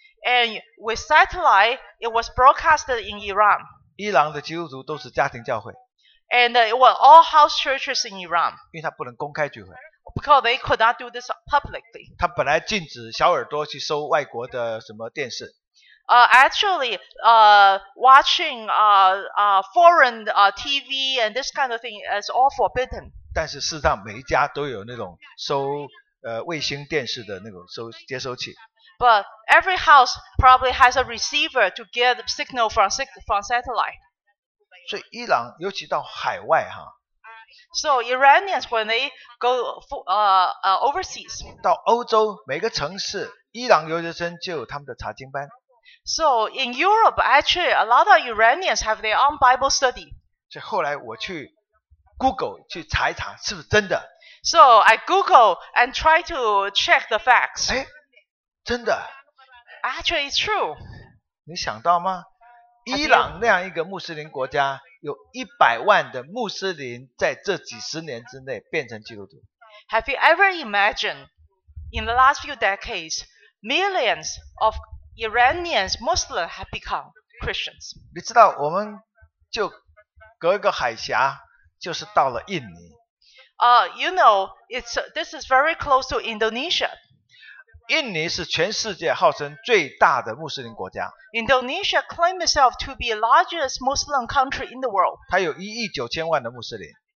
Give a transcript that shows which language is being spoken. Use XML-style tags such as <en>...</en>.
<en>And with satellite, it was broadcasted in Iran.</en> <zh>伊朗的基督徒都是家庭教会。</zh> <en>And it was all house churches in Iran.</en> <zh>因为他不能公开聚会。</zh> <en>Because they could not do this publicly.</en> <zh>他本来禁止小耳朵去收外国的什么电视。</zh> <en>Actually, watching foreign TV and this kind of thing is all forbidden.</en> <zh>但是事实上每一家都有那种收卫星电视的那种收接收器。</zh> <en>But every house probably has a receiver to get signal from satellite.</en> <zh>所以伊朗尤其到海外哈。</zh> <en>So Iranians when they go overseas,</en> <zh>到欧洲每个城市，伊朗留学生就有他们的查经班。</zh> <en>So in Europe, actually, a lot of Iranians have their own Bible study.</en> <zh>所以后来我去 Google 去查一查，是不是真的</zh> <en>？So I Google and try to check the facts.</en> <zh>哎，真的</zh> <en>？Actually, it's true.</en> <zh>你想到吗？伊朗那样一个穆斯林国家。有一百万的穆斯林在这几十年之内变成基督徒。</zh> <en>Have you ever imagined in the last few decades millions of Iranians Muslims have become Christians?</en> <zh>你知道，我们就隔一个海峡就是到了印尼。</zh> <en>You know, this is very close to Indonesia.</en> <zh>印尼是全世界号称最大的穆斯林国家。</zh> <en>Indonesia claims itself to be the largest Muslim country in the world.</en> <zh>它有一亿九千万的穆斯林。</zh>